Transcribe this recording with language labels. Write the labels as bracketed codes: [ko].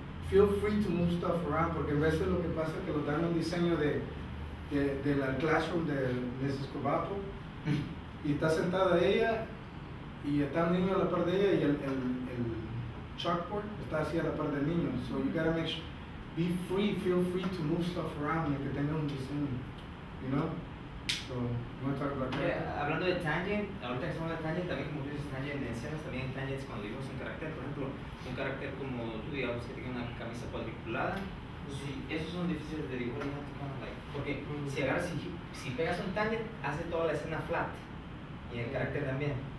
[en] Feel free to move stuff around, [es] porque a veces lo que pasa es que lo dan un diseño de la classroom de Mrs. Cobato, y está sentada ella, y está el niño a la par de ella, y el chalkboard está así a la par del niño. [en] So you gotta make sure. Be free, feel free to move stuff around, like they don't listen, you know? So, you want to talk about that? [es] Yeah, hablando de tangent, ahorita que estamos de tangent, también como tú dices tangent en escenas, también tangents cuando vimos un carácter, por ejemplo, un carácter como tú, digamos, que tiene una camisa cuadriculada, pues sí, esos son difíciles de dibujar, [en] you have to kind of like, [es] porque si agarras, si pegas un tangent, hace toda la escena flat, y el carácter también.